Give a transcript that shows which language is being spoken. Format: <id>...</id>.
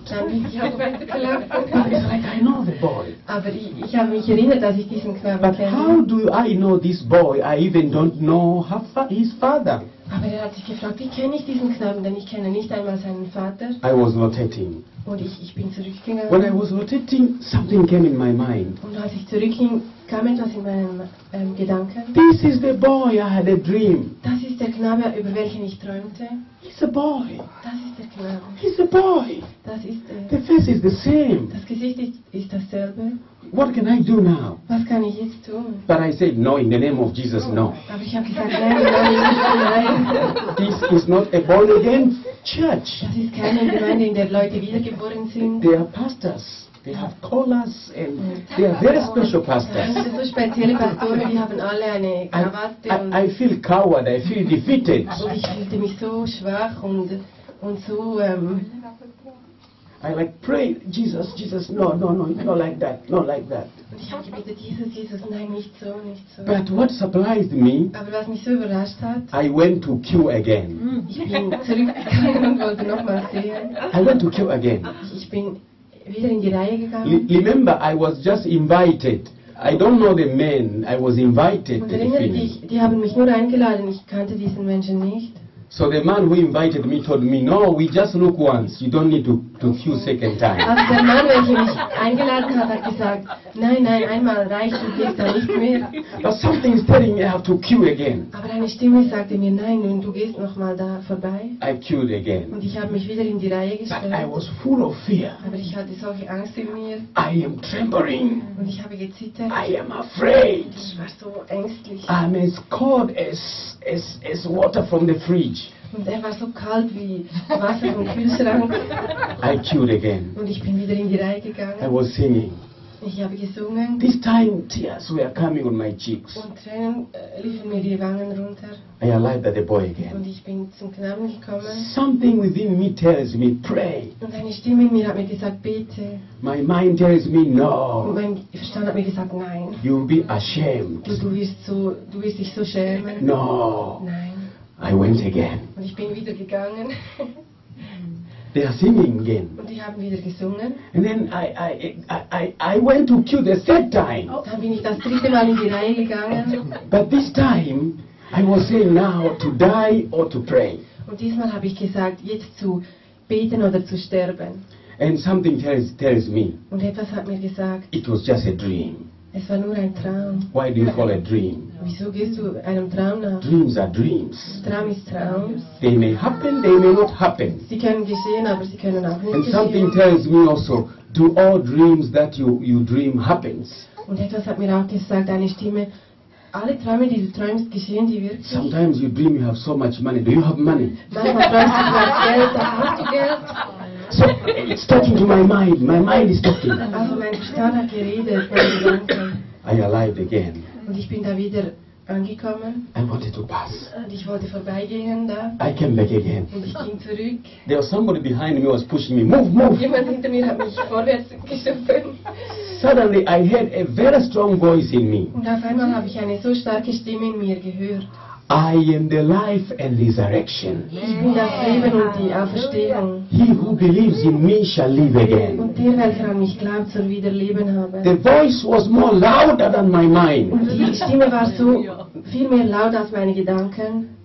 <de>Dann bin ich auch weitergelaufen.</de> <en>But it's like I know the boy.</en> <de>Aber ich habe mich erinnert, dass ich diesen Knaben</de> <en>But</en> <de>kenne.</de> <en>How do I know this boy? I even don't know his father.</en> <de>Aber er hat sich gefragt, wie kenne ich diesen Knaben, denn ich kenne nicht einmal seinen Vater.</de> <en>I was notating.</en> <de>Und ich bin zurückgegangen.</de> <en>When I was notating, something came in my mind.</en> <de>Und als ich zurückging, kam etwas in meinen Gedanken.</de> <en>This is the boy I had a dream.</en> <de>Das ist der Knabe, über welchen ich träumte.</de> <en>He's a boy.</en> <de>Das ist der Knabe.</de> <en>He's a boy.</en> <de>Das ist</de> <en>The face is the same.</en> <de>Das Gesicht ist dasselbe.</de> <en>What can I do now?</en> <de>Was kann ich jetzt tun?</de> <en>But I said, no, in the name of Jesus, no.</en> <de>Aber ich habe gesagt, nein, nein, nein.</de> <en>This is not a born again church.</en> <de>Das ist keine Gemeinde, in der Leute wiedergeboren sind.</de> <en>They are pastors. They have collars and they are very special pastors.</en> <de>So spezielle Pastoren, die haben alle eine Krawatte.</de> <en>I feel coward, I feel defeated.</en> <de>Ich fühlte mich so schwach und so...</de> <en>I like pray, Jesus, no, not like that.</en> <de>Ich habe gebetet, Jesus, nein, nicht so.</de> <en>But what surprised me,</en> <de>aber was mich so überrascht hat,</de> <en>I went to queue again.</en> <de>Ich bin zurückgegangen und wollte nochmal sehen.</de> <en>I went to queue again.</en> <de>Ich bin wieder in die Reihe gegangen.</de> <en>Remember, I was just invited. I don't know the man, I was invited.</en> <de>Und erinnere dich, die haben mich nur eingeladen, ich kannte diesen Menschen nicht.</de> <en>So the man who invited me told me, no, we just look once. You don't need to queue second time.</en> <de>Also der Mann, welcher mich eingeladen hat, hat gesagt, nein, einmal reicht und gehst da nicht mehr.</de> <en>But something is telling me I have to queue again.</en> <de>Aber eine Stimme sagte mir, nein, und du gehst nochmal da vorbei.</de> <en>I queued again.</en> <de>Und ich habe mich wieder in die Reihe gestellt.</de> <en>But I was full of fear.</en> <de>Aber ich hatte solche Angst in mir.</de> <en>I am trembling.</en> <de>Und ich habe gezittert.</de> <en>I am afraid.</en> <de>Und ich war so ängstlich.</de> <en>I'm as cold as water from the fridge.</en> <de>Und er war so kalt wie Wasser vom Kühlschrank.</de> <en>I queued again.</en> <de>Und ich bin wieder in die Reihe gegangen.</de> <en>I was singing.</en> <de>Ich habe gesungen.</de> <en>This time tears were coming on my cheeks.</en> <de>Und Tränen liefen mir die Wangen runter.</de> <en>I arrived at the boy again.</en> <de>Und ich bin zum Knaben gekommen.</de> <en>Something within me tells me, pray.</en> <de>Und eine Stimme in mir hat mir gesagt, bete.</de> <en>My mind tells me, no.</en> <de>Und mein Verstand hat mir gesagt, nein.</de> <en>You'll be ashamed.</en> <de>Du wirst dich so schämen.</de> <en>No.</en> <de>Nein.</de> <en>I went again.</en> <de>Und ich bin wieder gegangen.</de> <en>They are singing again.</en> <de>Und die haben wieder gesungen.</de> <en>And then I went to queue the third time. Oh.</en> <de>Dann bin ich das dritte Mal in die Reihe gegangen.</de> <en>But this time I was saying now to die or to pray.</en> <de>Und diesmal habe ich gesagt, jetzt zu beten oder zu sterben.</de> <en>And something tells me.</en> <de>Und etwas hat mir gesagt.</de> <en>It was just a dream.</en> <de>Es war nur ein Traum.</de> <en>Why do you call a dream?</en> <de>Wieso gehst du einem Traum nach?</de> <en>Dreams are dreams.</en> <de>Traum ist Traum.</de> <en>They may happen, they may not happen.</en> <de>Sie können geschehen, aber sie können auch nicht geschehen.</de> <en>And something tells me also, do all dreams that you dream happens?</en> <de>Und etwas hat mir auch gesagt, eine Stimme, alle Träume, die du träumst, geschehen die wirklich?</de> <en>Sometimes you dream you have so much money. Do you have money?</en> <de>Manchmal träumst du, du hast Geld, dann hast du Geld.</de> <en>So it's talking to my mind. My mind is talking.</en> <de>Also mein Verstand hat geredet, mein Gedanke.</de> <en>I arrived again.</en> <de>Und ich bin da wieder angekommen.</de> <en>I wanted to pass.</en> <de>Und ich wollte vorbeigehen da.</de> <en>I came back again.</en> <de>Und ich ging zurück.</de> <en>There was somebody behind me who was pushing me. Move.</en> <de>Jemand hinter mir hat mich vorwärts geschoben.</de> <en>Suddenly I heard a very strong voice in me.</en> <de>Und auf einmal habe ich eine so starke Stimme in mir gehört.</de> <en>I am the life and resurrection.</en> <de>Ich bin das Leben und die Auferstehung.</de> <en>He who believes in me shall live again.</en> <de>Und der, welcher an mich glaubt, soll wieder leben haben.</de> <en>The voice was more louder than my mind.</en> <de>Und die Stimme war so viel mehr laut als meine Gedanken.</de>